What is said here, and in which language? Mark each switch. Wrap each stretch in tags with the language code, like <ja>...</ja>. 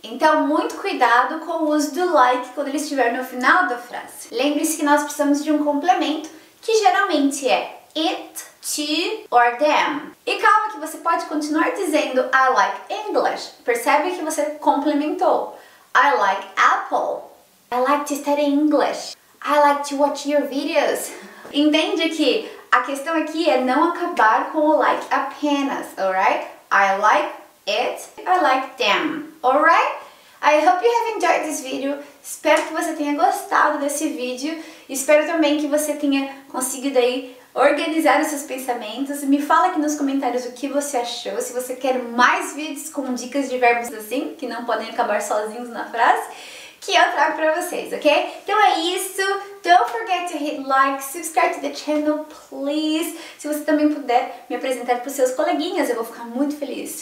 <pt>Então, muito cuidado com o uso do like quando ele estiver no final da frase. Lembre-se que nós precisamos de um complemento, que geralmente é</pt> <en>it, to, or them.</en> <pt>E calma que você pode continuar dizendo</pt> <en>I like English.</en> <pt>Percebe que você complementou.</pt> <en>I like apple. I like to study English. I like to watch your videos.</en> <pt>Entende que a questão aqui é não acabar com o like apenas,</pt> <en>alright? I like it, I like them, alright? I hope you have enjoyed this video.</en> <pt>Espero que você tenha gostado desse vídeo. Espero também que você tenha conseguido aí organizar os seus pensamentos. Me fala aqui nos comentários o que você achou. Se você quer mais vídeos com dicas de verbos assim, que não podem acabar sozinhos na frase, que eu trago pra vocês, ok? Então é isso.</pt> <en>Don't forget to hit like, subscribe to the channel, please.</en> <pt>Se você também puder me apresentar para os seus coleguinhas, eu vou ficar muito feliz.</pt>